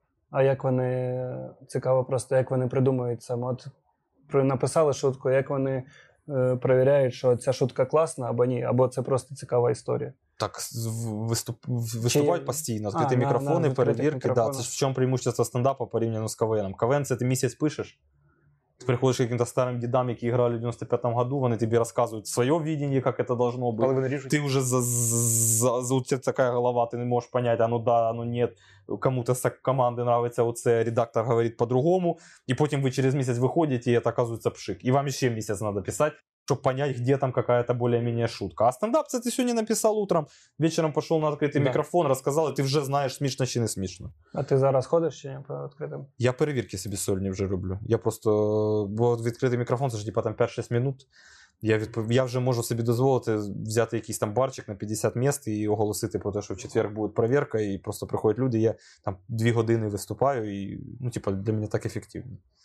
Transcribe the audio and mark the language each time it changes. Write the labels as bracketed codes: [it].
[uk] А як вони, цікаво просто, як вони придумують саме? От написали шутку, як вони перевіряють, що ця шутка класна або ні, або це просто цікава історія? Так, виступають постійно, відкриті мікрофони, перевірки. Да, це ж в чому преимущество стендапу порівняно з КВНом. КВН — це ти місяць пишеш. [ru] Ты приходишь к каким-то старым дедам, которые играли в 95-м году, они тебе рассказывают свое видение, как это должно быть. Ты уже у тебя такая голова, ты не можешь понять, оно да, оно нет. Кому-то с команды нравится, вот этот редактор говорит по-другому. И потом вы через месяц выходите, и это оказывается пшик. И вам еще месяц надо писать, чтобы понять, где там какая-то более-менее шутка. А стендап, ты сегодня написал утром, вечером пошел на открытый микрофон, рассказал, и ты уже знаешь, смешно или не смешно. А ты зараз ходишь чи не по открытым? [uk] Я перевірки себе сольні вже роблю. Я просто, бо відкритий мікрофон, це ж [ru] типа там 5-6 минут. [uk] Я вже можу собі дозволити взяти якийсь там барчик [ru] на 50 мест [uk] і оголосити про те, що в четвер буде перевірка, і просто приходять люди, я там 2 години виступаю, і, ну, типа, для мене так ефективно.